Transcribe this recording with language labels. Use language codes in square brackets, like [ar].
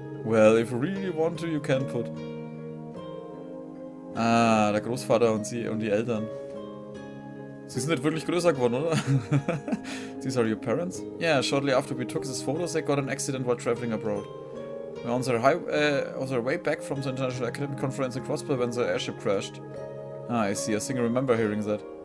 [en] Well, if you really want to, you can put... [de] Ah, der Großvater und sie und die Eltern. Sie sind nicht wirklich größer geworden, oder? [en] These are your parents? Yeah, shortly after we took this photo, they got an accident while traveling abroad. We're on their way back from the International Academic Conference in Crossbow when the airship crashed. Ah, I see. I think I remember hearing that.